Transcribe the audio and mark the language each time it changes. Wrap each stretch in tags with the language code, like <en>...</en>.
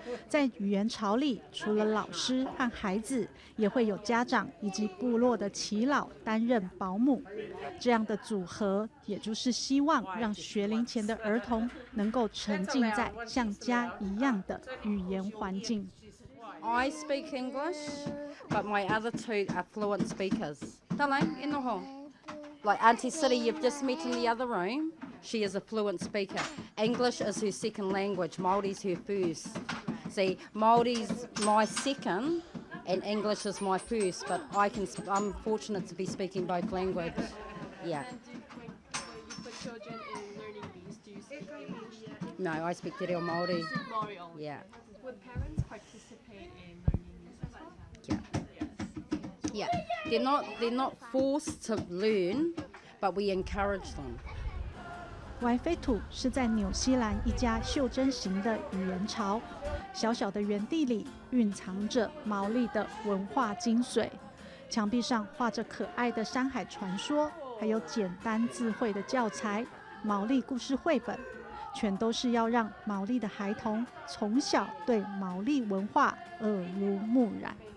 <zh>在语言潮里，除了老师和孩子，也会有家长以及部落的耆老担任保姆。这样的组合，也就是希望让学龄前的儿童能够沉浸在像家一样的语言环境。</zh> <en>I speak English, but my other two are fluent speakers. Darling, in the hall. Like Auntie City, you've just met in the other room. She is a fluent speaker. English is her second language. Māori's her first. See, Māori's my second, and English is my first. But I'm fortunate to be speaking both languages. Yeah. No, I speak Te Reo Māori. Yeah. Would parents participate in learning? Yeah. Yeah, they're not forced to learn, but we encourage them.</en> <zh>Waifetu 是在纽西兰一家袖珍型的语言潮，小小的园地里蕴藏着毛利的文化精髓，墙壁上画着可爱的山海传说，还有简单智慧的教材、毛利故事绘本，全都是要让毛利的孩童从小对毛利文化耳濡目染。</zh>